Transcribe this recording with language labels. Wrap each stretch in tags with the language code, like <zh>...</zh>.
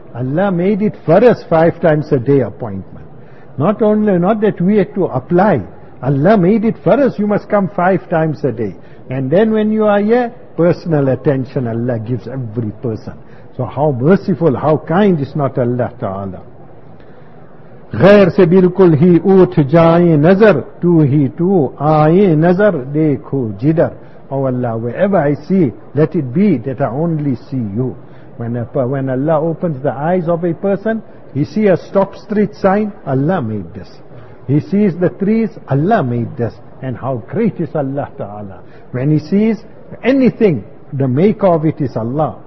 <en>Allah made it for us 5 times a day appointment. Not that we had to apply. Allah made it for us. You must come 5 times a day. And then when you are here, personal attention Allah gives every person. So how merciful, how kind is not Allah Ta'ala.</en> <ur>غیر سے بالکل ہی اوٹھ جائیں نظر تو ہی تو آئیں نظر دیکھو جدر.</ur> <en>Oh Allah, wherever I see, let it be that I only see you. When Allah opens the eyes of a person, he sees a stop street sign, Allah made this. He sees the trees, Allah made this. And how great is Allah Ta'ala. When he sees anything, the maker of it is Allah.</en>